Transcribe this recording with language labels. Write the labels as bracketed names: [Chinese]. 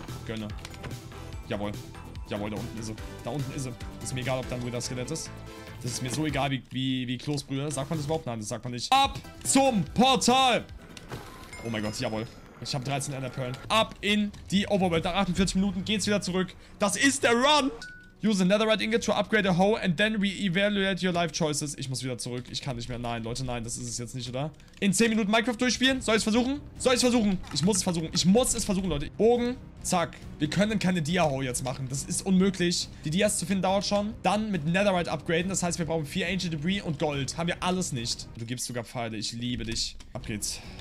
[German] Gönne. Jawohl. Jawohl, da unten ist sie. Da unten ist sie. Ist mir egal, ob da ein Wither-Skelett ist. Das ist mir so egal wie Kloßbrühe. Sagt man das überhaupt? Nein, das sagt man nicht. Ab zum Portal! Oh mein Gott, jawohl. Ich habe 13 Enderperlen. Ab in die Overworld. Nach 48 Minuten geht's wieder zurück. Das ist der Run. [English] Use a netherite ingot to upgrade a hoe and then re-evaluate your life choices. [German] Ich muss wieder zurück. Ich kann nicht mehr. Nein, Leute, nein. Das ist es jetzt nicht, oder? In 10 Minuten Minecraft durchspielen. Soll ich es versuchen? Soll ich es versuchen? Ich muss es versuchen. Ich muss es versuchen, Leute. Bogen. Zack. Wir können keine Dia-Hoe jetzt machen. Das ist unmöglich. Die Dias zu finden dauert schon. Dann mit Netherite upgraden. Das heißt, wir brauchen 4 Ancient Debris und Gold. Haben wir alles nicht. Du gibst sogar Pfeile. Ich liebe dich. Ab geht's.